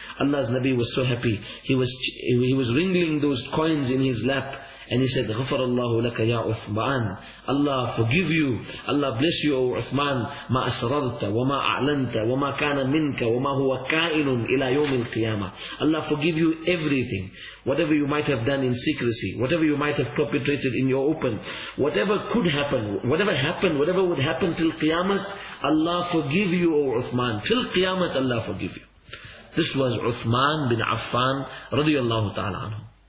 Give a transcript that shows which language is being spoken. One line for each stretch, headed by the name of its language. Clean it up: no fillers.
English: Allah's Nabi was so happy. He was wringing those coins in his lap. And he said,
Arabic: غفر الله لك يا عثمان.
English: Allah forgive you. Allah bless you, O Uthman.
Arabic: ما أسررت وما أعلنت وما كان منك وما هو كائن إلى يوم القيامة.
English: Allah forgive you everything. Whatever you might have done in secrecy, whatever you might have perpetrated in your open, whatever could happen, whatever happened, whatever would happen till Qiyamah, Allah forgive you, O Uthman. Till Qiyamah, Allah forgive you. This was Uthman bin Affan, radiyallahu ta'ala anhu.